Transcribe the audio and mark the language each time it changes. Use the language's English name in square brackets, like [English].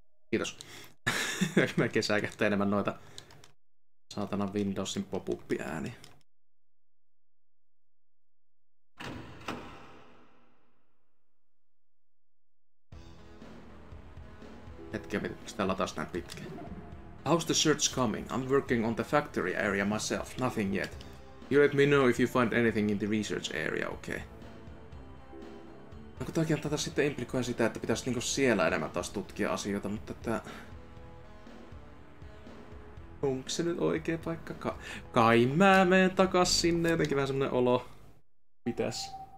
[Finnish] Kiitos. Mä kesää kättä enemmän noita... Saatana Windowsin pop-up ääni. Hetkiä, miksi tää lataa näin pitkään? [English] How's the search coming? I'm working on the factory area myself. Nothing yet. You let me know if you find anything in the research area, okay? [Finnish] No kun toki antaa sitten implikoida sitä, että pitäisi niinku siellä enemmän taas tutkia asioita, mutta että... Onks se nyt oikea paikka? Kai mä menen takas sinne, jotenkin vähän semmonen olo. Mitäs?